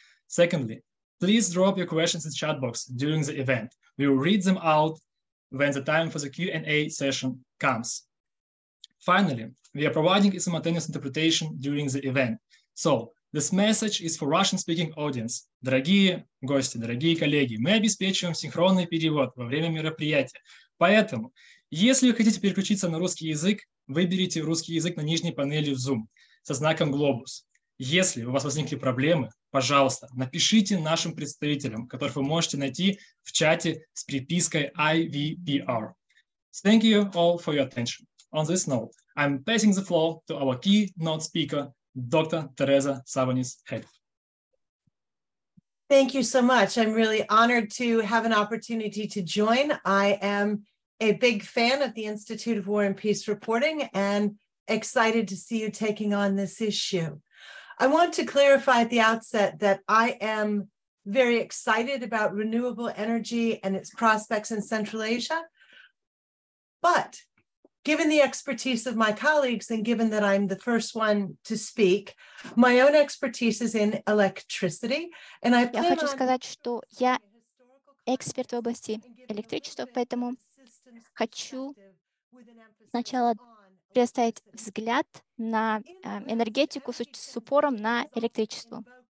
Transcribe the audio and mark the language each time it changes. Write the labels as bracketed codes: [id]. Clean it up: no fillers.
[en] Secondly, please drop your questions in the chat box during the event. We will read them out when the time for the Q&A session comes. Finally, we are providing a simultaneous interpretation during the event. So this message is for Russian-speaking audience. [ru] Дорогие гости, дорогие коллеги, мы обеспечиваем синхронный перевод во время мероприятия. Поэтому, если вы хотите переключиться на русский язык, выберите русский язык на нижней панели в Zoom со знаком «Глобус». Если у вас возникли проблемы, пожалуйста, напишите нашим представителям, которых вы можете найти в чате с припиской IVPR. [en] Thank you all for your attention. On this note, I'm passing the floor to our keynote speaker, Dr. Teresa Savonis Head. Thank you so much. I'm really honored to have an opportunity to join. I am a big fan of the Institute of War and Peace Reporting and excited to see you taking on this issue. I want to clarify at the outset that I am very excited about renewable energy and its prospects in Central Asia. But given the expertise of my colleagues and given that I'm the first one to speak, my own expertise is in electricity. And I plan [ru] to сказать, что я эксперт в области электричества, поэтому хочу сначала представить взгляд на энергетику с упором на электричество.